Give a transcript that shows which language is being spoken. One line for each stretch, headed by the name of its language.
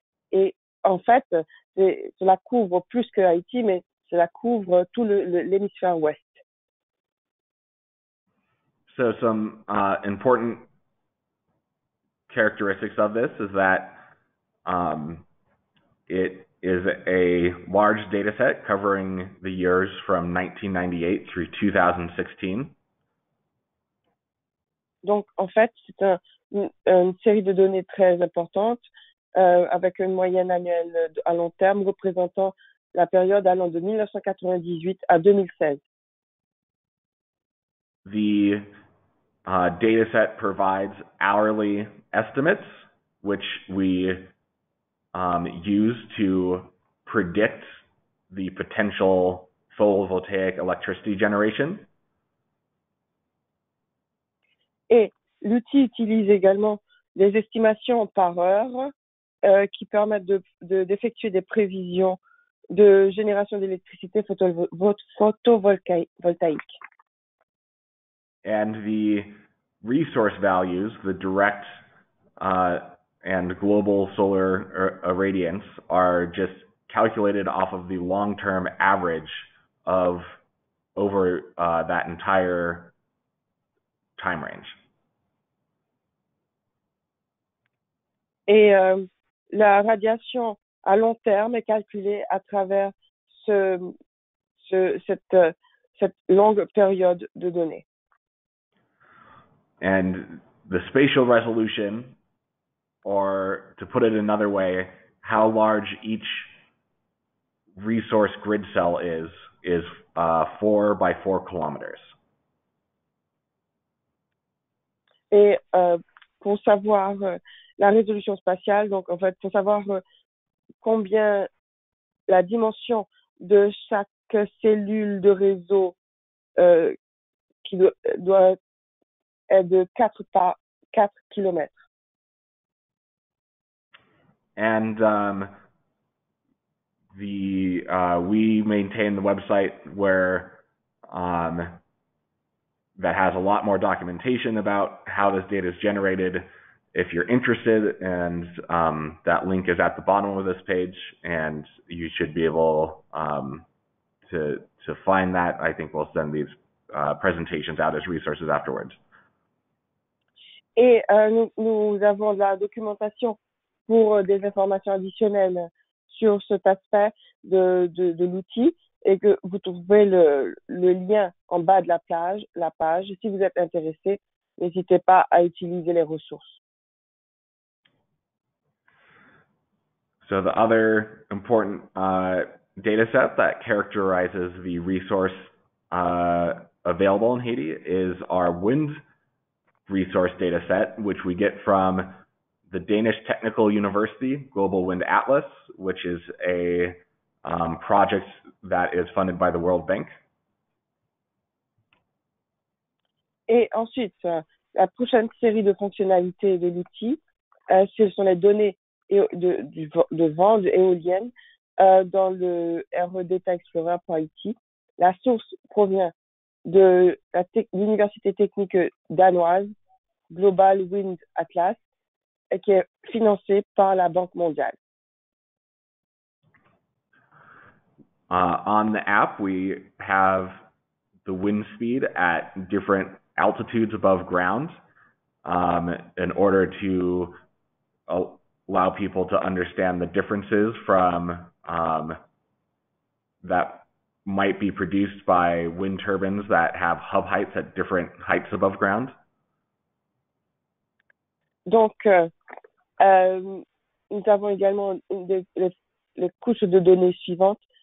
French: Et en fait, cela couvre plus que Haïti, mais cela couvre tout l'hémisphère ouest.
English: So some important characteristics of this is that it is a large data set covering the years from 1998 through 2016.
French: Donc, en fait, c'est une série de données très importantes avec une moyenne annuelle à long terme représentant la période allant de 1998 à 2016.
English: The data set provides hourly estimates, which we use to predict the potential photovoltaic electricity generation.
French: Et l'outil utilise également des estimations par heure qui permettent d'effectuer des prévisions de génération d'électricité photovoltaïque.
English: And the resource values, the direct and global solar irradiance, are just calculated off of the long-term average of over that entire time range.
French: Et la radiation à long terme est calculée à travers cette longue période de données.
English: And the spatial resolution, or to put it another way, how large each resource grid cell is 4 by 4 kilometers.
French: Et pour savoir la résolution spatiale, donc en fait, pour savoir combien la dimension de chaque cellule de réseau qui doit être de 4 par 4 kilomètres.
English: And we maintain the website where that has a lot more documentation about how this data is generated. If you're interested, and that link is at the bottom of this page, and you should be able to find that. I think we'll send these presentations out as resources afterwards.
French: Et nous avons de la documentation pour des informations additionnelles sur cet aspect de l'outil, et que vous trouvez le lien en bas de la page. Si vous êtes intéressé, n'hésitez pas à utiliser les ressources.
English: So the other important data set that characterizes the resource available in Haiti is our wind resource data set, which we get from the Danish Technical University Global Wind Atlas, which is a project that is funded by the World Bank.
French: Et ensuite, la prochaine série de fonctionnalités de l'outil, ce sont les données du vent, de éolienne, dans le RE Data Explorer pour Haïti. La source provient de l'Université technique danoise Global Wind Atlas, qui est financée par la Banque mondiale.
English: On the app, we have the wind speed at different altitudes above ground in order to allow people to understand the differences from that might be produced by wind turbines that have hub heights at different heights above ground.
French: Donc, nous avons également les couches de données suivantes.